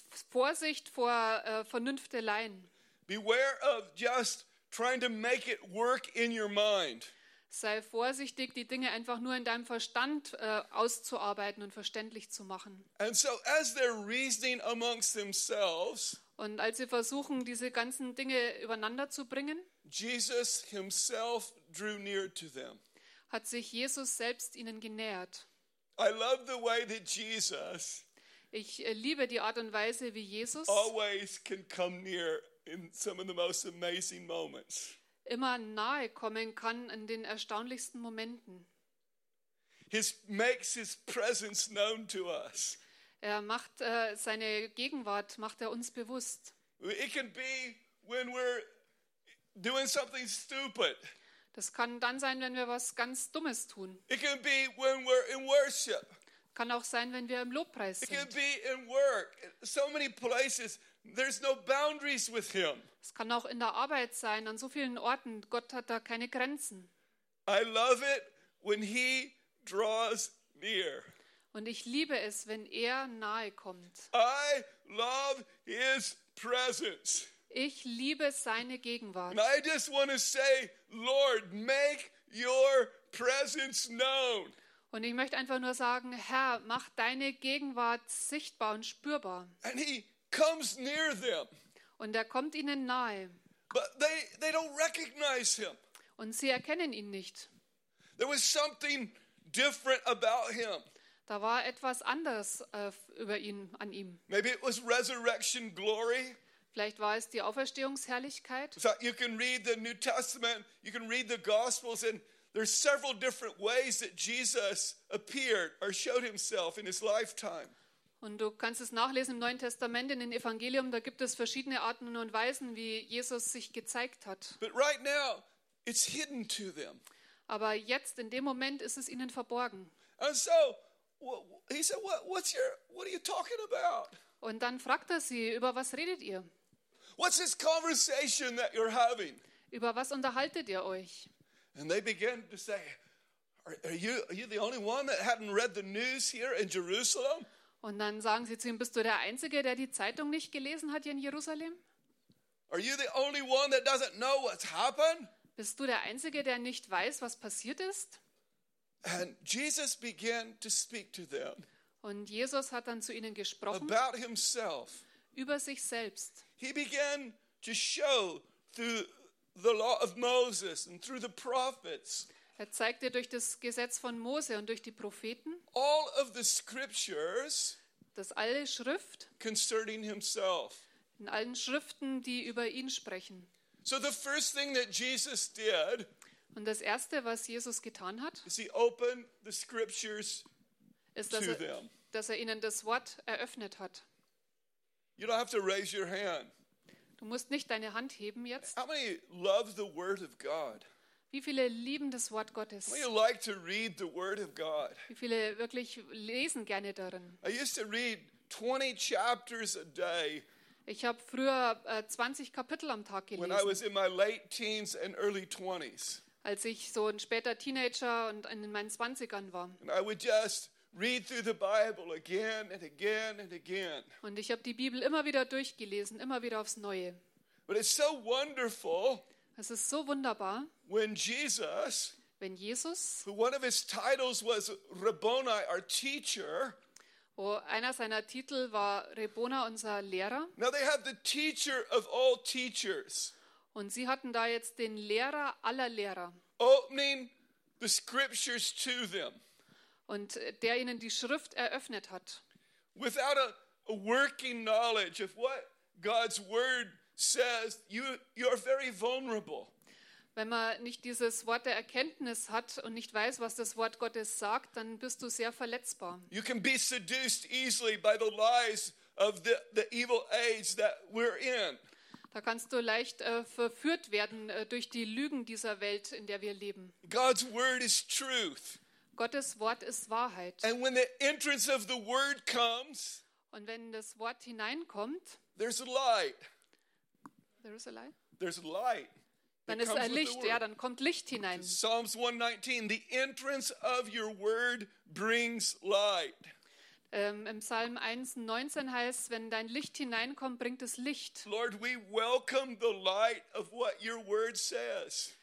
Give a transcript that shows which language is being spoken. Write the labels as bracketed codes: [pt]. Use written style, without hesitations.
[de] Vorsicht vor Vernünfteleien. [en] Beware of just trying to make it work in your mind. [de] Sei vorsichtig, die Dinge einfach nur in deinem Verstand auszuarbeiten und verständlich zu machen. [en] And so as they're reasoning amongst themselves, [de] und als sie versuchen, diese ganzen Dinge übereinander zu bringen, [en] Jesus himself drew near to them. [de] Hat sich Jesus selbst ihnen genähert. [en] I love the way that Jesus, [de] ich liebe die Art und Weise, wie Jesus [en] always can come near in some of the most amazing moments. [de] Immer nahe kommen kann in den erstaunlichsten Momenten. [en] Makes his presence known to us. [de] Er macht seine Gegenwart, macht er uns bewusst. [en] It can be when we're doing something stupid. [de] Das kann dann sein, wenn wir was ganz Dummes tun. [en] It can be when we're in worship. [de] Kann auch sein, wenn wir im Lobpreis sind. [en] It can be in work. So many places. There's no boundaries with him. [de] Es kann auch in der Arbeit sein, an so vielen Orten. Gott hat da keine Grenzen. [en] I love it when he draws near. [de] Und ich liebe es, wenn er nahe kommt. [en] I love his presence. [de] Ich liebe seine Gegenwart. [en] And I just want to say, Lord, make your presence known. [de] Und ich möchte einfach nur sagen, Herr, mach deine Gegenwart sichtbar und spürbar. [en] And he comes near them. [de] Und er kommt ihnen nahe. [en] But they don't recognize him. [de] Und sie erkennen ihn nicht. [en] There was something different about him. [de] Da war etwas anderes über ihn, an ihm. [en] Maybe it was resurrection glory. [de] Vielleicht war es die Auferstehungsherrlichkeit. [en] So you can read the New Testament, you can read the Gospels, and there's several different ways that Jesus appeared or showed himself in his lifetime. [de] Und du kannst es nachlesen im Neuen Testament, in den Evangelium, da gibt es verschiedene Arten und Weisen, wie Jesus sich gezeigt hat. [en] But right now, it's hidden to them. [de] Aber jetzt, in dem Moment, ist es ihnen verborgen. [en] And so, he said, what are you talking about? [de] Und dann fragt er sie, über was redet ihr? [en] What's this conversation that you're having? [de] Über was unterhaltet ihr euch? [en] And they began to say, are you the only one that hadn't read the news here in Jerusalem? [de] Und dann sagen sie zu ihm, bist du der Einzige, der die Zeitung nicht gelesen hat hier in Jerusalem? [en] Are you the only one that doesn't know what's happened? [de] Bist du der Einzige, der nicht weiß, was passiert ist? [en] And Jesus began to speak to them. [de] Und Jesus hat dann zu ihnen gesprochen. [en] About himself. [de] Über sich selbst. [en] He began to show through the law of Moses and through the prophets. [de] Er zeigte durch das Gesetz von Mose und durch die Propheten [en] all of the scriptures, [de] dass alle Schrift [en] concerning himself. [de] In allen Schriften, die über ihn sprechen. [en] So the first thing that Jesus did, [de] und das Erste, was Jesus getan hat, [en] is he opened the scriptures [de] ist, dass, [en] to [de] er, [en] them. [de] Dass er ihnen das Wort eröffnet hat. [en] You don't have to raise your hand. [de] Du musst nicht deine Hand heben jetzt. [en] How many love the word of God? [de] Wie viele lieben das Wort Gottes? [en] We like to read the word of God. [de] Wie viele wirklich lesen gerne darin? [en] I used to read 20 chapters a day. [de] Ich habe früher 20 Kapitel am Tag gelesen. [en] When I was in my late teens and early 20s. [de] Als ich so ein später Teenager und in meinen 20ern war. [en] And I would just read through the Bible again and again and again. [de] Und ich habe die Bibel immer wieder durchgelesen, immer wieder aufs Neue. [en] But it's so wonderful. [de] Es ist so wunderbar, wenn Jesus, [en] one of his titles was Rabboni, our teacher, [de] wo einer seiner Titel war Rabboni, unser Lehrer. [en] Now they have the teacher of all teachers. [de] Und sie hatten da jetzt den Lehrer aller Lehrer. [en] Opening the scriptures to them. [de] Und der ihnen die Schrift eröffnet hat. [en] Without a working knowledge of what God's word says, you are very vulnerable. [de] Wenn man nicht dieses Wort der Erkenntnis hat und nicht weiß, was das Wort Gottes sagt, dann bist du sehr verletzbar. [en] You can be seduced easily by the lies of the evil age that we're in. [de] Da kannst du leicht verführt werden durch die Lügen dieser Welt, in der wir leben. [en] God's word is truth. [de] Gottes Wort ist Wahrheit. [en] And when the entrance of the word comes, [de] und wenn das Wort hineinkommt, [en] there's light. There is a light. There's light. [de] Dann ist ein Licht, ja, dann kommt Licht hinein. [en] Psalms 119, the entrance of your word brings light. [de] Im Psalm 119 heißt, wenn dein Licht hineinkommt, bringt es Licht. [en] Lord, we welcome the light of what your word says.